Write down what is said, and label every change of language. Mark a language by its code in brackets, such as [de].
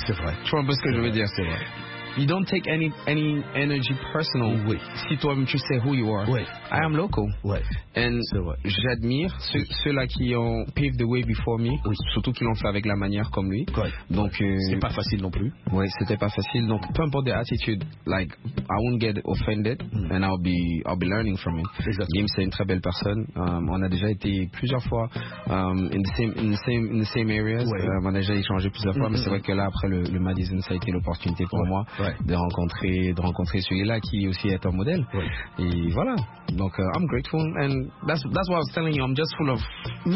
[fr] c'est vrai. Tu vois un peu ce que je veux dire, c'est vrai. [en] You don't take any energy personal. [fr] Oui. Si toi-même tu sais [en] who you are. [fr] Oui. [en] I am Loco. [fr] Oui. [en] And [fr] j'admire ceux-là qui ont [en] paved the way before me. [fr] Oui. Surtout qu'ils l'ont fait avec la manière comme lui. Oui. Donc. C'est pas facile non plus. Oui, c'était pas facile. Donc, peu importe [en] their attitude, like, I won't get offended and I'll be learning from it. [fr] Exactement. Gim, c'est une très belle personne. On a déjà été plusieurs fois [en] in the same areas. [fr] Oui. On a déjà échangé plusieurs fois, mais c'est vrai que là, après le Madison, ça a été l'opportunité pour moi. Ouais. De rencontrer celui-là qui aussi est un modèle. Ouais. Et voilà. Donc, [en] I'm grateful. And that's what I was telling you. I'm just full of grace.